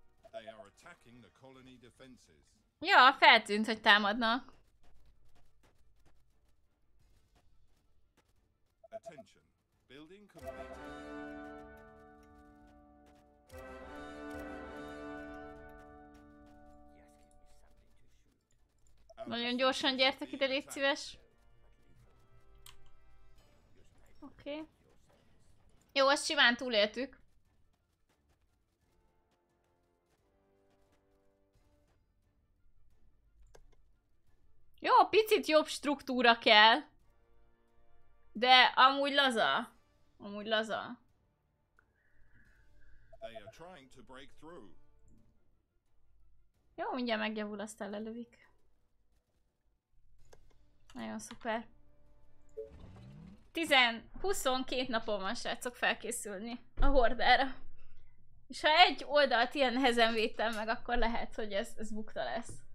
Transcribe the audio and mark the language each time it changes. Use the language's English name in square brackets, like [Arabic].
[English] They are attacking the colony defenses. [Hungarian] Ja, feltűnt, hogy támadnak. [English] Attention. Building complete. [Hungarian] Nagyon gyorsan gyertek ide, légy szíves. Oké. Okay. Jó, azt simán túléltük. Jó, picit jobb struktúra kell. De amúgy laza. [English] They are trying to break through. [Hungarian] Jó, mindjárt megjavul, aztán lelövik. Nagyon szuper. 22 napon van, srácok, felkészülni a hordára. És ha egy oldalt ilyen nehezen védtem meg, akkor lehet, hogy ez bukta lesz.